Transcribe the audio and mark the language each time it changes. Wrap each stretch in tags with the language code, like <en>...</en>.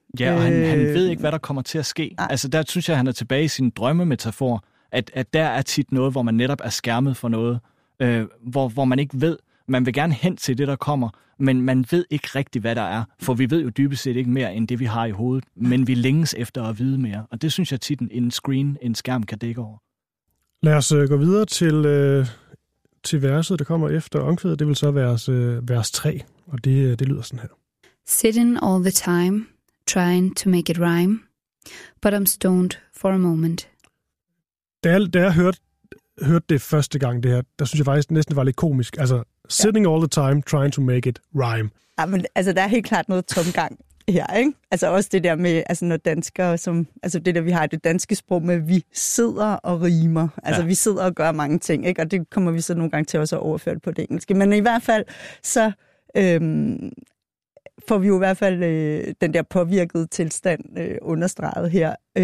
<da>Ja, og han ved ikke, hvad der kommer til at ske. Ej. Altså der synes jeg, han er tilbage i sin drømmemetafor, at der er tit noget, hvor man netop er skærmet for noget, hvor man ikke ved, man vil gerne hen til det, der kommer, men man ved ikke rigtigt, hvad der er, for vi ved jo dybest set ikke mere, end det, vi har i hovedet, men vi længes efter at vide mere, og det synes jeg tit, en skærm kan dække over. Lad os gå videre til verset, der kommer efter omkvædet. Det vil så være vers 3, og det lyder sådan her.</da> <en>Sitting all the time, trying to make it rhyme, but I'm stoned for a moment.</en> <da>Da jeg hørte det første gang, det her, der synes jeg faktisk næsten var lidt komisk.</da> <en>Altså, sitting all the time, trying to make it rhyme.</en> <da>Ja, men, altså, der er helt klart noget tomgang her, ikke? Altså også det der med, altså når danskere, altså det der, vi har det danske sprog med, vi sidder og rimer. Altså vi sidder og gør mange ting, ikke? Og det kommer vi så nogle gange til også at overføre det på det engelske. Men i hvert fald, så får vi jo i hvert fald den der påvirkede tilstand understreget her.</da>